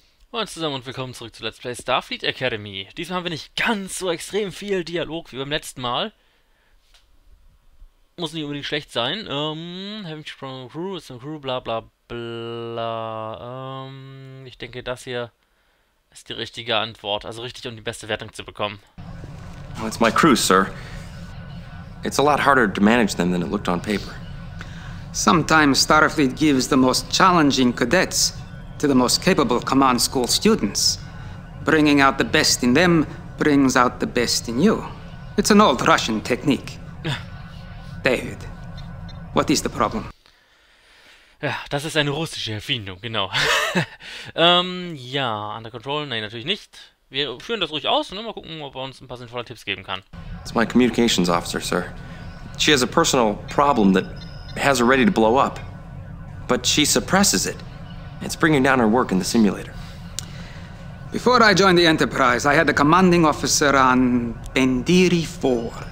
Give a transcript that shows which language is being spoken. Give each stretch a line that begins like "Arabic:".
German: Moin zusammen und willkommen zurück zu Let's Play Starfleet Academy. Diesmal haben wir nicht ganz so extrem viel Dialog wie beim letzten Mal. Muss nicht unbedingt schlecht sein.
English: Having to run a crew, it's a crew, bla bla bla.
German: Ich denke, das hier ist die richtige Antwort. Also richtig, um die beste Wertung zu bekommen.
English: Well, it's my crew, sir. It's a lot harder to manage them than it looked on paper. Sometimes Starfleet gives the most challenging cadets to the most capable command school students. Bringing out the best in them brings out the best in you. It's an old Russian technique. David, what is the problem?
German: Ja, das ist eine russische Erfindung, genau. ja,
English: under control?
German: Nein, natürlich nicht. Wir führen das ruhig aus und mal gucken, ob er uns ein paar sinnvolle Tipps geben kann.
English: It's my communications officer, sir. She has a personal problem that has her ready to blow up. But she suppresses it. It's bringing down her work in the simulator. Before I joined the Enterprise, I had a commanding officer on Bendiri 4.